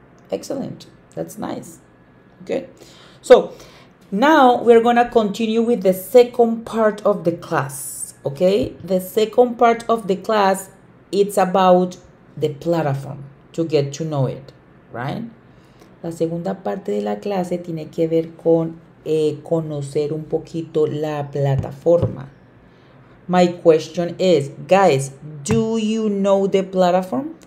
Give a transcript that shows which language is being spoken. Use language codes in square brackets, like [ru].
[en] Excellent, that's nice, good. So now we're gonna continue with the second part of the class, okay? The second part of the class, it's about the platform, to get to know it, right? [es] La segunda parte de la clase tiene que ver con conocer un poquito la plataforma. [en] My question is, guys, do you know the platform?